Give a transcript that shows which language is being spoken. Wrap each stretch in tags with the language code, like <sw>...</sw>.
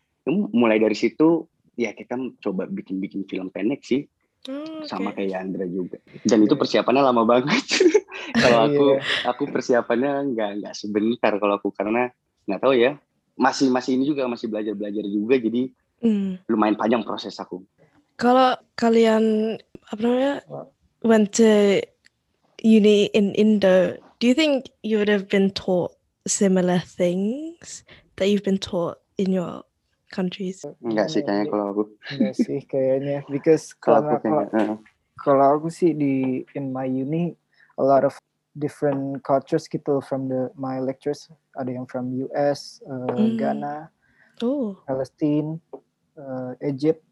<id>Mulai dari situ, ya kita coba bikin film pendek sih. Sama kayak Yandra juga. Dan itu persiapannya lama banget. Kalau aku persiapannya enggak sebentar kalau aku, karena enggak tahu ya. Masih ini juga masih belajar-belajar juga, jadi lumayan panjang proses aku. Kalau kalian</id> <en>went to uni in Indo, do you think you would have been taught similar things that you've been taught in your countries?</en> <id>Enggak sih kayaknya kalau aku. Enggak sih kayaknya,</id> <en>because</en> <id>kalau aku sih</id> <en>in my uni, a lot of different cultures gitu from my lectures.</en> <id>Ada yang from US, Ghana, Palestine, Egypt.</id>